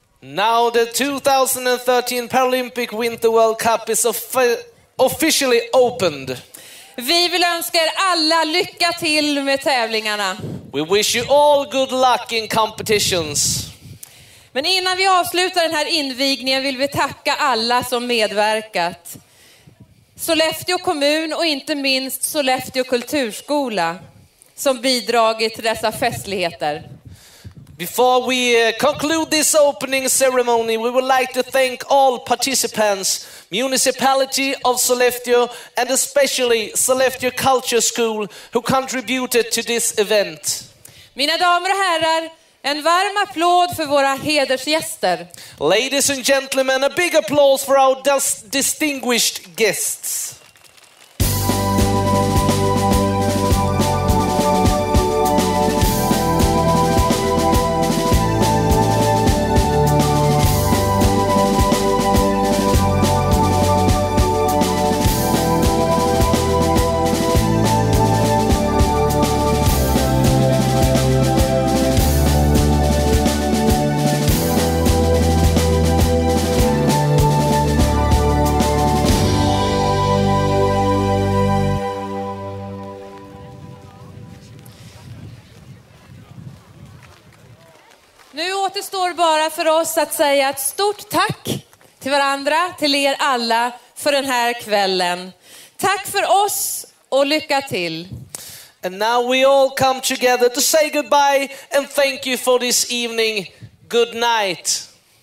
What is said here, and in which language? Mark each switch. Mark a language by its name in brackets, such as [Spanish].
[English] Now the 2013 Paralympic Winter World Cup is officially opened. [Swedish] Vi vill önska er alla lycka till med tävlingarna. [English] We wish you all good luck in competitions. [Swedish] Men innan vi avslutar den här invigningen vill vi tacka alla som medverkat. Sollefteå kommun och inte minst Sollefteå kulturskola som bidragit till dessa festligheter. [English] Before we conclude this opening ceremony, we would like to thank all participants, municipality of Sollefteå and especially Sollefteå Culture School who contributed to this event. [Swedish] Mina damer och herrar, en varm applåd för våra hedersgäster. [English] Ladies and gentlemen, a big applause for our distinguished guests. [Swedish] Bara för oss att säga ett stort tack till varandra, till er alla för den här kvällen. Tack för oss och lycka till. [English] And now we all come together to say goodbye and thank you for this evening. Good night.